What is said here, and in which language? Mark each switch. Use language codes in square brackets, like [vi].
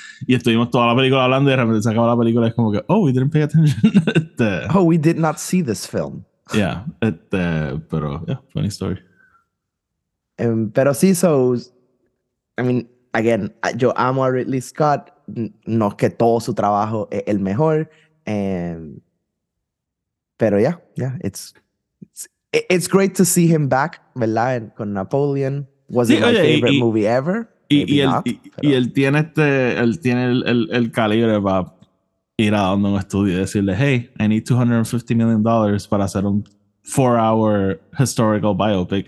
[es] Y estuvimos toda la película hablando y de repente se acaba la película y es como que, [en] oh, we didn't pay attention. We did not see this film. Yeah, pero, yeah, funny story. [es] Pero sí, [en] so, I mean, again, [es] yo amo a Ridley Scott. No es que todo su trabajo es el mejor. [en] Pero yeah, it's great to see him back, ¿verdad? Con Napoleon. Was it my favorite movie ever? [es] Y él tiene el calibre para ir a donde un estudio y decirle, [en] hey, I need $250 million [es] para hacer un [en] 4-hour historical biopic.